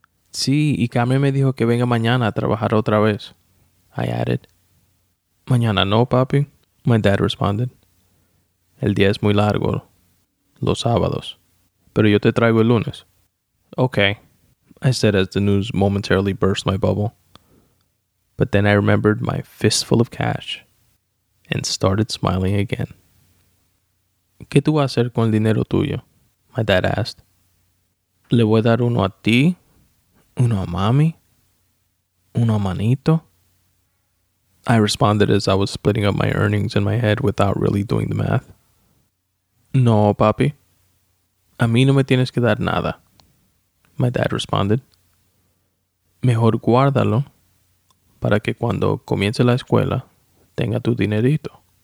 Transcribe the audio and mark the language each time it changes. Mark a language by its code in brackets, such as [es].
[es] Sí, y Carmen me dijo que venga mañana a trabajar otra vez, [en] I added. [es] Mañana no, papi, [en] my dad responded. [es] El día es muy largo, los sábados, pero yo te traigo el lunes. [en] Okay, I said as the news momentarily burst my bubble. But then I remembered my fistful of cash and started smiling again. [es] ¿Qué tú vas a hacer con el dinero tuyo? [en] My dad asked. [es] Le voy a dar uno a ti, uno a mami, uno a manito. [en] I responded as I was splitting up my earnings in my head without really doing the math. [es] No, papi. A mí no me tienes que dar nada. [en] My dad responded. [es] Mejor guárdalo para que cuando comience la escuela tenga tu dinerito.